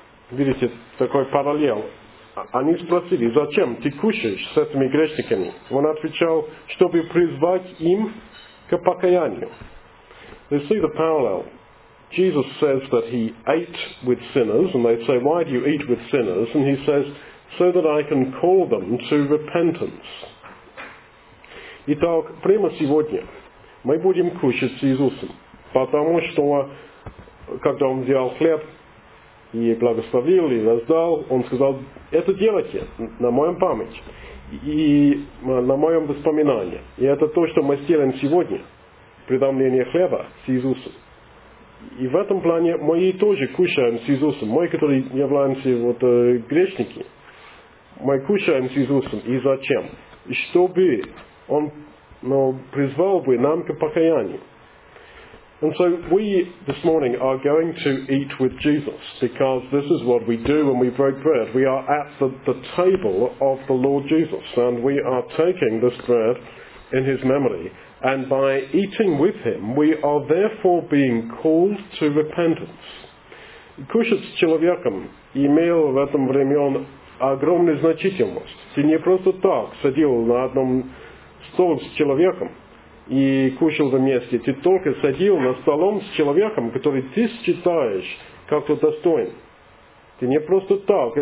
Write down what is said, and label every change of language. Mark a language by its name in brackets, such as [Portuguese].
[Russian] Видите, такой параллел. Они спросили, зачем ты кушаешь с этими грешниками? Он отвечал, чтобы призвать им к покаянию. [English] You see the parallel. Jesus says that he ate with sinners, and they say, why do you eat with sinners? And he says, so that I can call them to repentance. [Russian] Итак, прямо сегодня мы будем кушать с Иисусом, потому что, когда он взял хлеб и благословил, и раздал, он сказал, это делайте на моем память и на моем воспоминании. И это то, что мы сделаем сегодня, предомление хлеба с Иисусом. И в этом плане мы тоже кушаем с Иисусом. Мы, которые являемся вот, грешники, мы кушаем с Иисусом. И зачем? Чтобы он призвал бы нам к покаянию. [English] And so we this morning are going to eat with Jesus, because this is what we do when we break bread. We are at the table of the Lord Jesus, and we are taking this bread in his memory. And by eating with him, we are therefore being called to repentance. [Russian] Кушать с человеком имел в этом времен огромную значительность. Ты не просто так сидел на одном стол с человеком и кушал вместе. Ты только садил на столом с человеком, который ты считаешь как-то достоин. Ты не просто так.